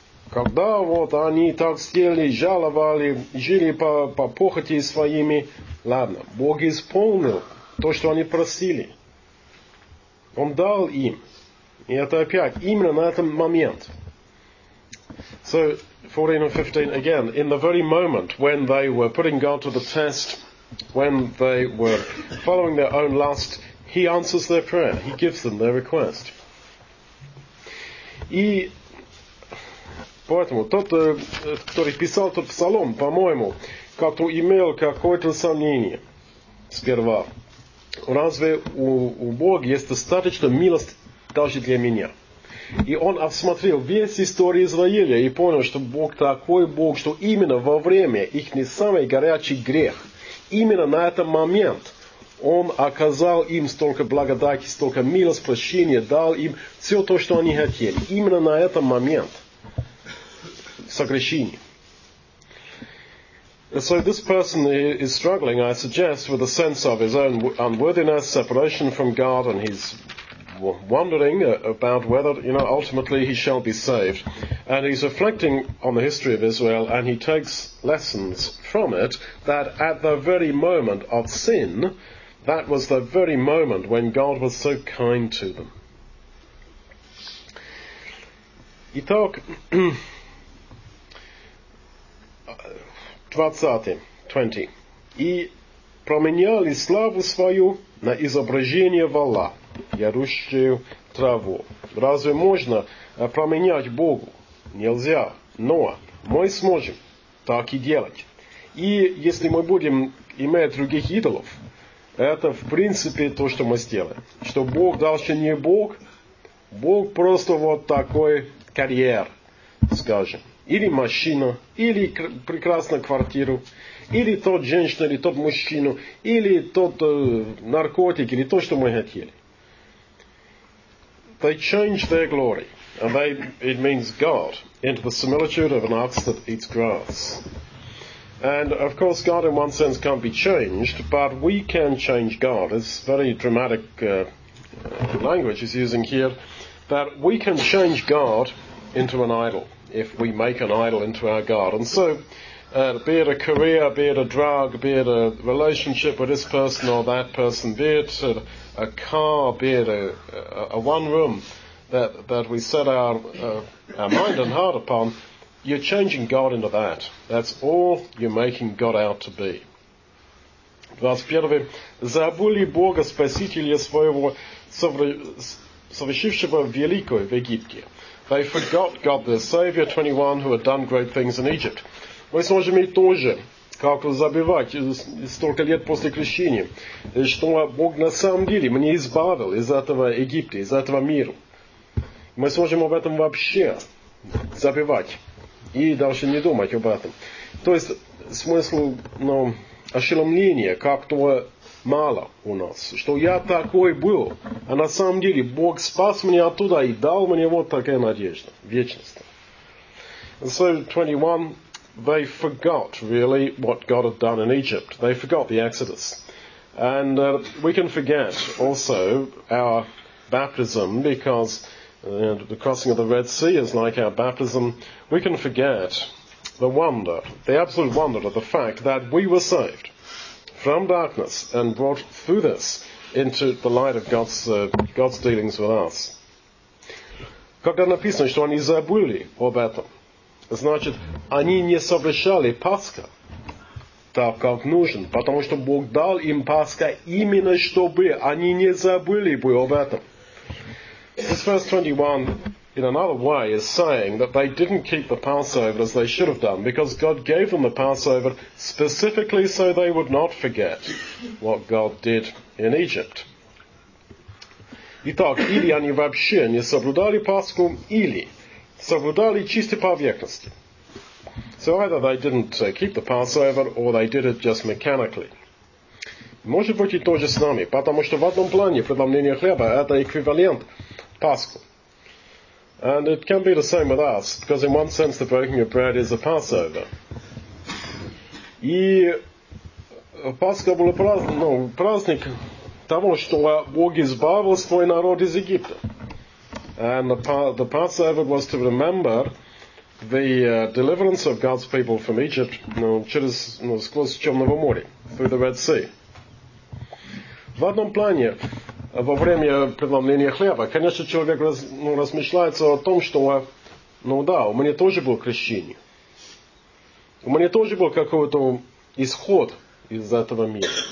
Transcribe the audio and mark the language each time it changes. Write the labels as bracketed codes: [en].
[ru] Когда они так сделали, жаловали, жили по похоти своими, ладно, Бог исполнил то, что они просили. Он дал им. И это опять, именно на этом момент. [en] So, 14 and 15 again, in the very moment when they were putting God to the test, when they were following their own lust, he answers their prayer, he gives them their request. [ru] И поэтому тот, который писал тот псалом, по-моему, как-то имел какое-то сомнение сперва. Разве у Бога есть достаточно милости даже для меня? И он осмотрел весь историю Израиля и понял, что Бог такой Бог, что именно во время их не самый горячий грех, именно на этот момент он оказал им столько благодати, столько милости, прощения, дал им все то, что они хотели. Именно на этот момент согрешение. [en] So this person is struggling, I suggest, with a sense of his own unworthiness, separation from God, and his wondering about whether, ultimately he shall be saved. And he's reflecting on the history of Israel, and he takes lessons from it, that at the very moment of sin, that was the very moment when God was so kind to them. [ru] Итак, 20. И променяли славу свою на изображение вола, ярущую траву. Разве можно променять Богу? Нельзя. Но мы сможем так и делать. И если мы будем иметь других идолов, это в принципе то, что мы сделаем. Что Бог дальше не Бог. Бог просто вот такой карьер, скажем. Или машина, или прекрасную квартиру, или тот женщина, или тот мужчина, или тот наркотик, или то, что мы хотели. [en] They change their glory, and it means God, into the similitude of an ox that eats grass. And, of course, God in one sense can't be changed, but we can change God. It's very dramatic language he's using here, that we can change God into an idol, if we make an idol into our God. And so, be it a career, be it a drug, be it a relationship with this person or that person, be it a car, be it a one room that we set our mind and heart upon, you're changing God into that. That's all you're making God out to be. 21. [ru] Забыли Бога Спасителя своего, совершившего великое в Египте. [en] They forgot God their Savior, 21, who had done great things in Egypt. [ru] Мы сможем и тоже как-то забывать столько лет после крещения, что Бог на самом деле меня избавил из этого Египта, из этого мира. Мы сможем об этом вообще забывать и дальше не думать об этом. То есть смысл ошеломления как-то мало у нас, что я такой был, а на самом деле Бог спас меня оттуда и дал мне вот такая надежда, вечность. [en] And so 21, they forgot really what God had done in Egypt. They forgot the Exodus. And we can forget also our baptism, because the crossing of the Red Sea is like our baptism. We can forget the wonder, the absolute wonder of the fact that we were saved from darkness and brought through this into the light of God's dealings with us. [ru] Когда написано, что они забыли об этом, значит, они не совершали Пасха так, как нужен, потому что Бог дал им Пасха именно чтобы они не забыли бы об этом. [en] This verse 21, in another way, is saying that they didn't keep the Passover as they should have done, because God gave them the Passover specifically so they would not forget what God did in Egypt. [ru] Итак, или они вообще не соблюдали Пасху, или соблюдали чистый по поверхности. [en] So either they didn't keep the Passover, or they did it just mechanically. [ru] Может быть, и то же с нами, потому что в одном плане преломление хлеба – это эквивалент Пасху. [en] And it can be the same with us, because in one sense the breaking of bread is a Passover. [ru] И Пасха был праздник того, что Бог избавил свой народ из Египта. [en] And the Passover was to remember the deliverance of God's people from Egypt [ru] через Черного моря, [en] through the Red Sea. [ru] В одном плане, во время преломления хлеба, конечно, человек размышляется о том, что, у меня тоже было крещение. У меня тоже был какой-то исход из этого мира.